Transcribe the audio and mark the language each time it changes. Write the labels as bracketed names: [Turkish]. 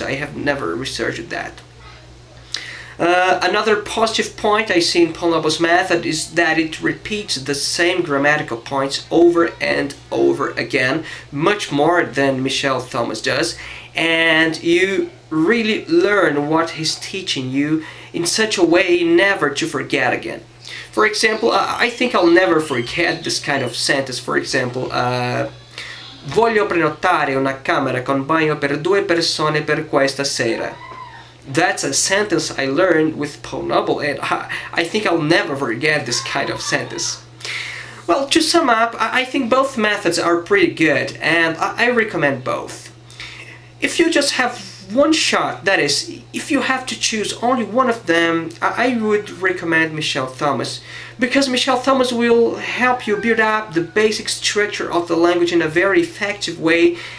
[English] I have never researched that. Another positive point I see in Paul Noble's method is that it repeats the same grammatical points over and over again, much more than Michel Thomas does, and you really learn what he's teaching you in such a way never to forget again. For example, I think I'll never forget this kind of sentence. For example, [Italian] voglio prenotare una camera con bagno per due persone per questa sera. [English] That's a sentence I learned with Paul Noble, and I think I'll never forget this kind of sentence. Well, to sum up, I think both methods are pretty good, and I recommend both. If you just have one shot, that is, if you have to choose only one of them, I would recommend Michel Thomas, because Michel Thomas will help you build up the basic structure of the language in a very effective way.